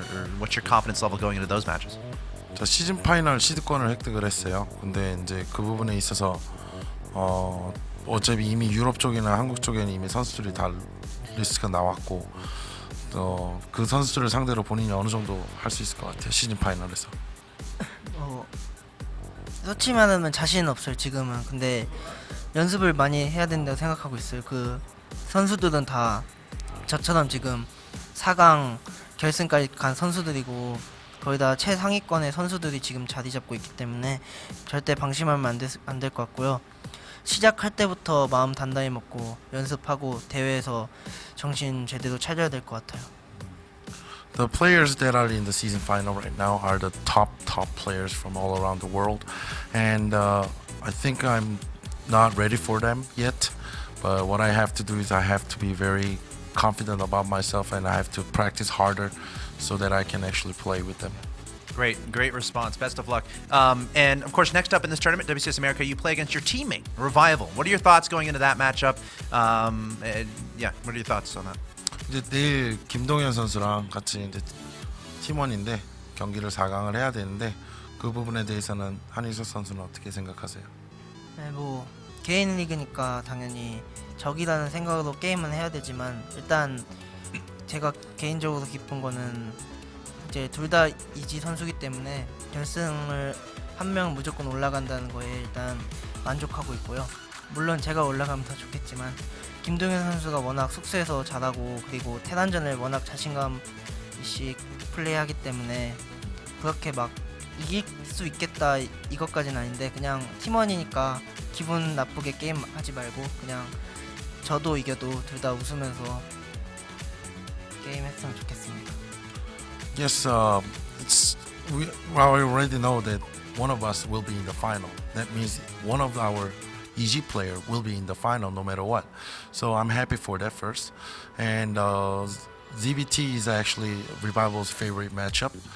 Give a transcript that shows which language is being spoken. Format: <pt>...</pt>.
<en>Or what's your confidence level going into those matches?</en> <ko>저 시즌 파이널 시드권을 획득을 했어요. 근데 이제 그 부분에 있어서 어차피 이미 유럽 쪽이나 한국 쪽에는 이미 선수들이 다 리스트가 나왔고, 또 그 선수들을 상대로 본인이 어느 정도 할 수 있을 것 같아요, 시즌 파이널에서. 솔직히는 자신은 없어요, 지금은. 근데 연습을 많이 해야 된다고 생각하고 있어요. 그 선수들은 다 저처럼 지금 4강 결승까지 간 선수들이고, 거의 다 최상위권의 선수들이 지금 자리 잡고 있기 때문에 절대 방심하면 안 될 것 같고요. 시작할 때부터 마음 단단히 먹고 연습하고 대회에서 정신 제대로 차려야 될 것 같아요.</ko> <en>The players that are in the season final right now are the top, top players from all around the world. And I think I'm not ready for them yet. But what I have to do is I have to be very confident about myself and I have to practice harder so that I can actually play with them. Great, great response. Best of luck. And of course, next up in this tournament, WCS America, you play against your teammate, Revival. What are your thoughts going into that matchup? What are your thoughts on that?</en> <ko>이제 내일 김동현 선수랑 같이 이제 팀원인데 경기를 4강을 해야 되는데 그 부분에 대해서는 한희석 선수는 어떻게 생각하세요? 네, 뭐 개인 리그니까 당연히 적이라는 생각으로 게임은 해야 되지만 일단 제가 개인적으로 기쁜 거는 이제 둘 다 이지 선수기 때문에 결승을 한 명 무조건 올라간다는 거에 일단 만족하고 있고요. 물론 제가 올라가면 더 좋겠지만 김동현 선수가 워낙 숙소에서 잘하고 그리고 태단전을 워낙 자신감씩 플레이하기 때문에 그렇게 막 이길 수 있겠다 이것까지는 아닌데 그냥 팀원이니까 기분 나쁘게 게임하지 말고 그냥 저도 이겨도 둘 다 웃으면서 게임했으면 좋겠습니다.</ko> <en>Yes, we already know that one of us will be in the final. That means one of our EG player will be in the final no matter what. So I'm happy for that first. And ZBT is actually Revival's favorite matchup.</en>